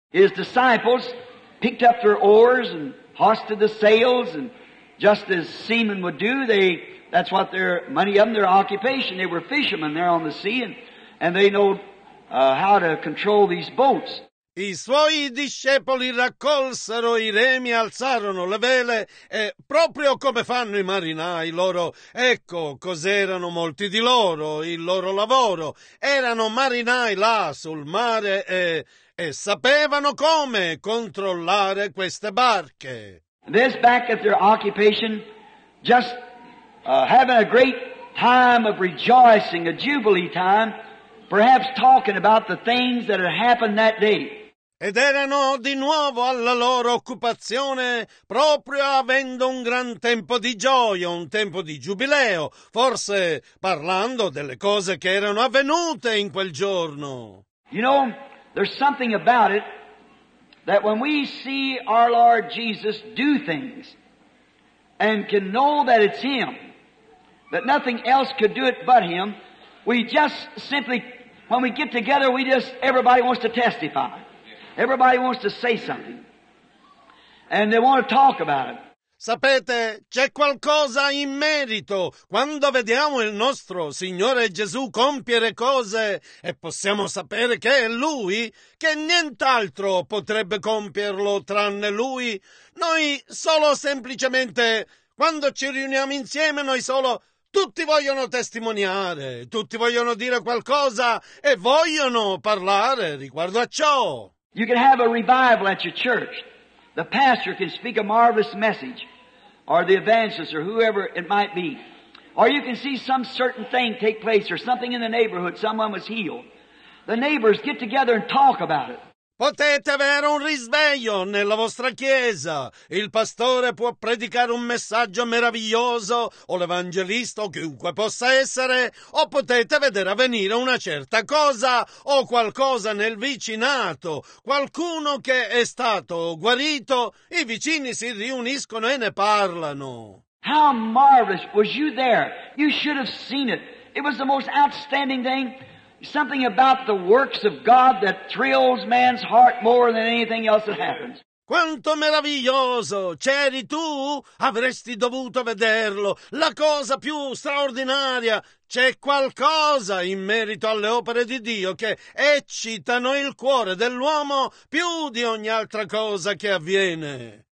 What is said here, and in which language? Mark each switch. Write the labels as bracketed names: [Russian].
[English] His disciples picked up their oars and hoisted the sails, and just as seamen would do, that's what their money of them, their occupation. They were fishermen there on the sea, and they know how to control these boats. [Italian] I suoi discepoli raccolsero i remi, alzarono le vele, e proprio come fanno i marinai loro, ecco cos'erano molti di loro, il loro lavoro. Erano marinai là sul mare e sapevano come controllare queste barche. [English] This back at their occupation, just having a great time of rejoicing, a jubilee time, perhaps talking about the things that had happened that day. [Italian] Ed erano di nuovo alla loro occupazione, proprio avendo un gran tempo di gioia, un tempo di giubileo, forse parlando delle cose che erano avvenute in quel giorno. [English] You know, there's something about it that when we see our Lord Jesus do things and can know that it's Him, that nothing else could do it but Him, we just simply, when we get together, everybody wants to testify. Everybody wants to say something, and they want to talk about it. [Italian] Sapete, c'è qualcosa in merito quando vediamo il nostro Signore Gesù compiere cose e possiamo sapere che è Lui, che nient'altro potrebbe compierlo tranne Lui. Noi solo semplicemente, quando ci riuniamo insieme, noi solo, tutti vogliono testimoniare, tutti vogliono dire qualcosa e vogliono parlare riguardo a ciò. [English] You can have a revival at your church. The pastor can speak a marvelous message, or the evangelist, or whoever it might be. Or you can see some certain thing take place, or something in the neighborhood, someone was healed. The neighbors get together and talk about it. [Italian] Potete avere un risveglio nella vostra chiesa. Il pastore può predicare un messaggio meraviglioso, o l'evangelista, o chiunque possa essere, o potete vedere avvenire una certa cosa o qualcosa nel vicinato. Qualcuno che è stato guarito, i vicini si riuniscono e ne parlano. [English] How marvelous was you there? You should have seen it. It was the most outstanding thing. Something about the works of God that thrills man's heart more than anything else that happens. [Italian] Quanto meraviglioso! C'eri tu? Avresti dovuto vederlo. La cosa più straordinaria. C'è qualcosa in merito alle opere di Dio che eccitano il cuore dell'uomo più di ogni altra cosa che avviene.